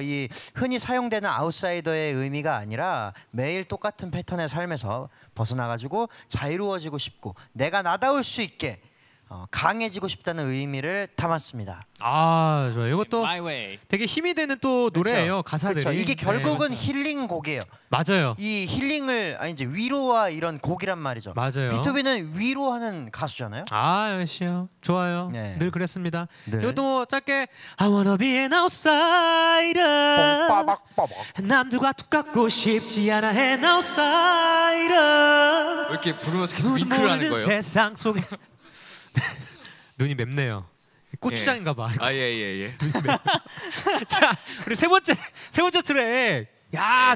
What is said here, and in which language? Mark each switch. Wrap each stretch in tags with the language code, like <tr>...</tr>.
<ko>이 흔히 사용되는 아웃사이더의 의미가 아니라 매일 똑같은 패턴의 삶에서 벗어나가지고 자유로워지고 싶고 내가 나다울 수 있게 강해지고 싶다는 의미를 담았습니다. 아, 좋아요. 이것도 되게 힘이 되는 또 노래예요. 그렇죠. 가사들이. 그렇죠. 이게 결국은 네, 힐링 곡이에요. 맞아요. 이 힐링을 아니 이제 위로와 이런 곡이란 말이죠. 맞아요. B2B는 위로하는 가수잖아요. 아, 역시요. 좋아요. 네. 늘 그랬습니다. 네. 이것도 뭐 짧게</ko> <en>I wanna be an outsider.</en> <ko>빠박빠박. 남들과 똑같고 싶지 않아</ko> <en>an outsider.</en> <ko>왜 이렇게 부르면서 계속 윙크를 하는 거예요? 세상 속에 눈이 맵네요. 고추장인가 봐. 아 예예예. 예. 자, 우리 세 번째 트랙. 야, 예.</ko>